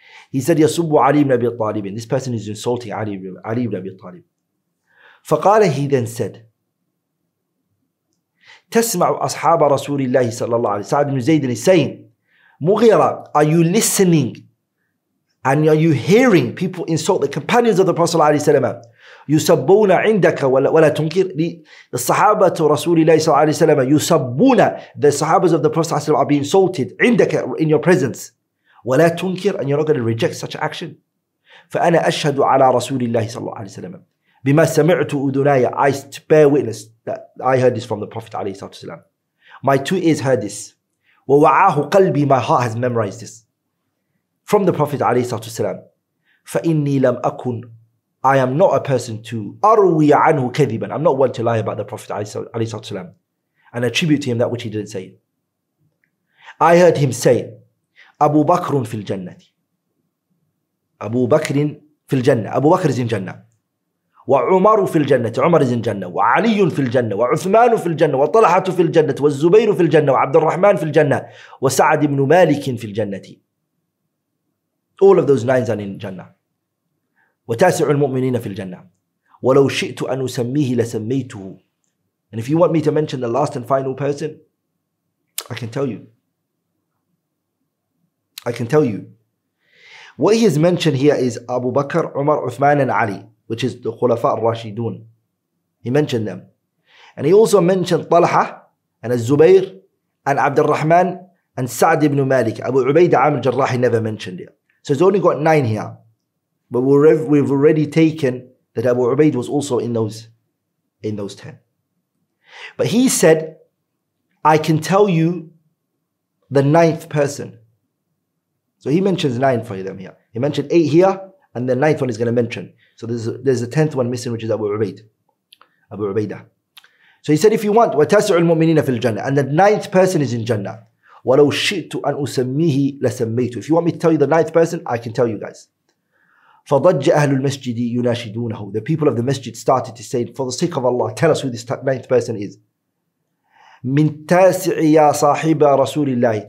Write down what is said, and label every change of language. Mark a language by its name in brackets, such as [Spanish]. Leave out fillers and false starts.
[English] He said, [Arabic] يَسُبُّ عَلِي بْنَ أَبِي طَالِبٍ, [English] this person is insulting Ali ibn Abi Talib. [Arabic] فَقَالَ, [English] he then said, [Arabic] تَسْمَعُ أَصْحَابَ رَسُولِ اللَّهِ صَلَّى اللَّهُ عَلَيْهِ. [English] Sa'd ibn Zayd is saying, Mughira, are you listening and are you hearing people insult the companions of the Prophet [Arabic] صلى الله عليه وسلم? يسبون عندك ولا تنكر للصحابة رسول الله صلى الله عليه وسلم. [English] يسبون, the Sahabas of the Prophet [Arabic] صلى الله عليه وسلم [English] are being insulted عندك, in your presence. [Arabic] ولا تنكر, [English] and you're not going to reject such action. [Arabic] فأنا أشهد على رسول الله صلى الله عليه وسلم بما سمعت أذناي, [English] I bear witness that I heard this from the Prophet [Arabic] عليه الصلاة والسلام. [English] My two ears heard this. [Arabic] ووعاه قلبي, [English] my heart has memorized this from the Prophet [Arabic] عليه الصلاة والسلام. فإني لم أكن, [English] I am not a person to [Arabic] أروي عنه كذبا, [English] I'm not one to lie about the Prophet [Arabic] عليه الصلاة والسلام [English] and attribute to him that which he didn't say. I heard him say, [Arabic] أبو بكر في الجنة, أبو بكر في الجنة, أبو بكر is in جنة, وعمر في الجنة, عمر is in جنة, وعلي في الجنة, وعثمان في الجنة, وطلحة في الجنة, والزبير في الجنة, وعبد الرحمن في الجنة, وسعد بن مالك في الجنة. [English] All of those nines are in جنة. [Arabic] وتاسع المؤمنين في الجنة. ولو شئت أن أسميه لسميته. [English] And if you want me to mention the last and final person, I can tell you. What he has mentioned here is Abu Bakr, Umar, Uthman and Ali, which is the Khulafa al-Rashidun. He mentioned them. And he also mentioned Talha and Al-Zubayr and Abd al-Rahman and Sa'd ibn Malik. Abu Ubaidah Amr al-Jarrah, he never mentioned it. So he's only got nine here. But we've already taken that Abu Ubaid was also in those 10. But he said, I can tell you the ninth person. So he mentions nine for them here. He mentioned eight here, and the ninth one he's going to mention. So there's a tenth one missing, which is Abu Ubaidah. So he said, if you want, [Arabic] وَتَسْعُ الْمُؤْمِنِينَ فِي الْجَنَّةِ, [English] and the ninth person is in Jannah. [Arabic] وَلَوْ شِئْتُ أَنْ أُسَمِّيهِ لَسَمَّيْتُ, [English] if you want me to tell you the ninth person, I can tell you guys. [Arabic] فضج أهل المسجد يناشدونه. [English] The people of the masjid started to say, for the sake of Allah, tell us who this ninth person is. [Arabic] من تاسع يا صاحب رسول الله.